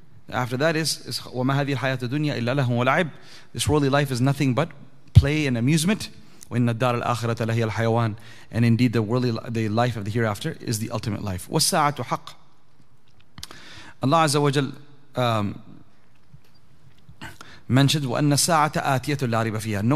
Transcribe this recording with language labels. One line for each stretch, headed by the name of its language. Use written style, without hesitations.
English: After that is
Arabic: وَمَا هَذِي الْحَيَاةُ الدُّنْيَا إِلَّا لَهُمْ وَلَعِبْ.
English: This worldly life is nothing but play and amusement.
Arabic: وَإِنَّ الدَّارَ الْآخِرَةَ لَهِيَ الْحَيَوَانِ.
English: And indeed, the life of the hereafter is the ultimate life.
Arabic: وَالسَّاعَةُ حَقْ. Allah Azza wa Jal mentions وَأَنَّ السَّاعَةَ آتِيَةٌ لَا رَيْبَ فِيهَا.